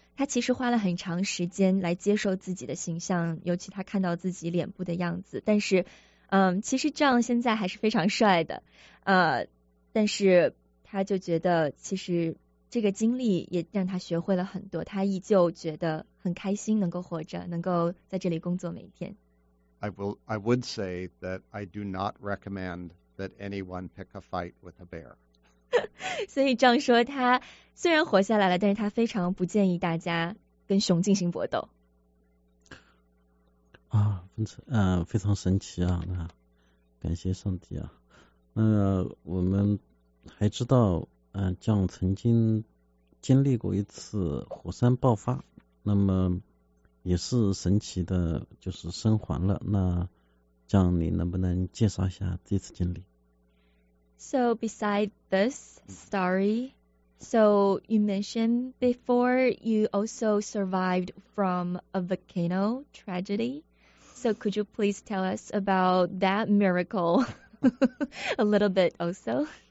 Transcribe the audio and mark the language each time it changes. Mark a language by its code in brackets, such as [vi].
[zh] 他其实花了很长时间来接受自己的形象，尤其他看到自己脸部的样子。但是，其实John现在还是非常帅的，但是他就觉得，其实这个经历也让他学会了很多。他依旧觉得很开心，能够活着，能够在这里工作每一天。 [en] I would say that I do not recommend that anyone pick a fight with a bear. [zh] 所以John说他虽然活下来了，但是他非常不建议大家跟熊进行搏斗啊。分成非常神奇啊，那感谢上帝啊。那我们还知道将曾经经历过一次火山爆发，那么也是神奇的就是生还了。那将你能不能介绍一下这次经历？ [en] So beside this story, so you mentioned before you also survived from a volcano tragedy. So could you please tell us about that miracle a little bit also?